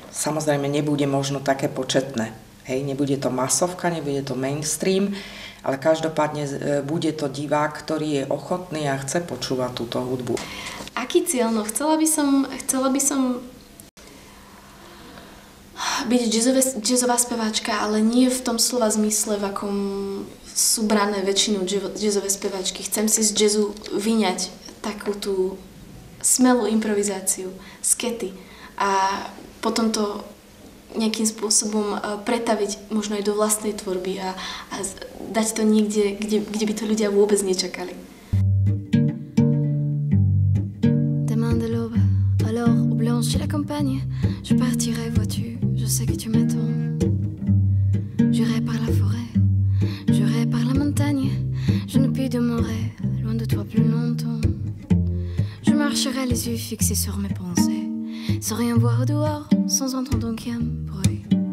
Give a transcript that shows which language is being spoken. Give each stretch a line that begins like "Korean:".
Slovak: Samozrejme, nebude možno také početné, hej. Nebude to masovka, nebude to mainstream, ale každopádne bude to divák, ktorý je ochotný a chce počúvať túto hudbu. Aký cieľ? No, chcela by som byť jazzová speváčka, ale nie v tom slova zmysle, v akom sú brané väčšinou jazzové speváčky. Chcem si z jazzu vyňať takú tú smelú improvizáciu, skety a potom to nejakým spôsobom pretaviť možno aj do vlastnej tvorby a dať to niekde, kde by to ľudia vôbec nečakali.
French: Chez la campagne, je partirai, vois-tu, je sais que tu m'attends. J'irai par la forêt, j'irai par la montagne, je ne puis demeurer loin de toi plus longtemps. Je marcherai les yeux fixés sur mes pensées, sans rien voir au dehors, sans entendre aucun bruit.